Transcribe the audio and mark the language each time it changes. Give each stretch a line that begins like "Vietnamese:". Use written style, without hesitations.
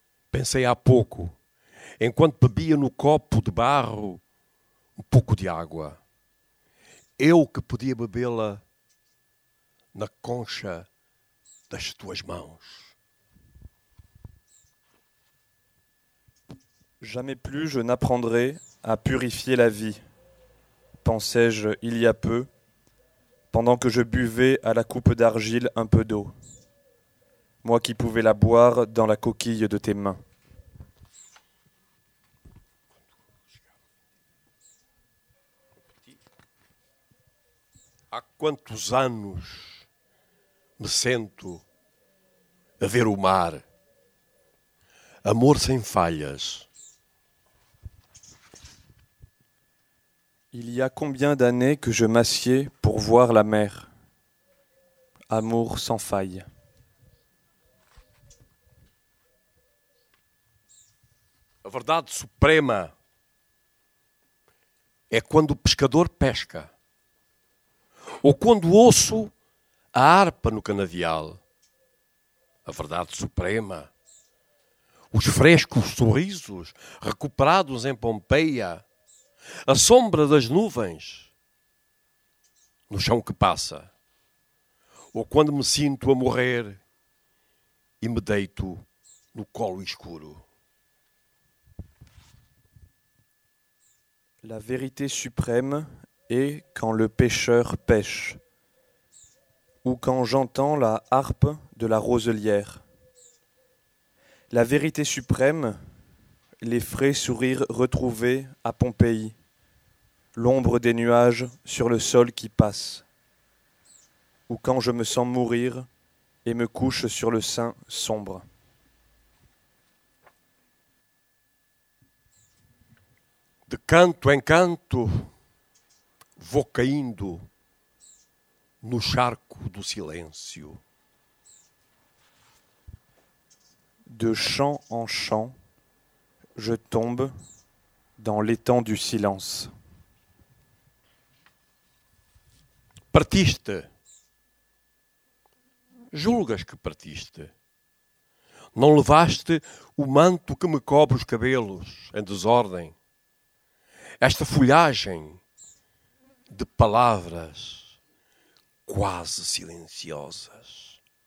Portuguese: Pensei há pouco, enquanto bebia no copo de barro um pouco de água. Eu que podia bebê-la na concha das tuas mãos.
French: Jamais plus je n'apprendrai à purifier la vie, pensais-je il y a peu, pendant que je buvais à la coupe d'argile un peu d'eau, moi qui pouvais la boire dans la coquille de tes mains.
Portuguese: Há quantos anos me sento a ver o mar, amor sem falhas.
French: Il y a combien d'années que je m'assieds pour voir la mer, amour sans faille.
Portuguese: A verdade suprema é quando o pescador pesca, ou quando ouço a harpa no canavial. A verdade suprema, os frescos sorrisos recuperados em Pompeia. A sombra das nuvens no chão que passa, ou quando me sinto a morrer e me deito no colo escuro.
French: La vérité suprême est quand le pêcheur pêche, ou quand j'entends la harpe de la roselière. La vérité suprême, les frais sourires retrouvés à Pompéi. L'ombre des nuages sur le sol qui passe, ou quand je me sens mourir et me couche sur le sein sombre.
Portuguese: De canto em canto, vou caindo no charco do silêncio.
French: De chant en chant, je tombe dans l'étang du silence.
Portuguese: Partiste, julgas que partiste, não levaste o manto que me cobre os cabelos em desordem, esta folhagem de palavras quase silenciosas.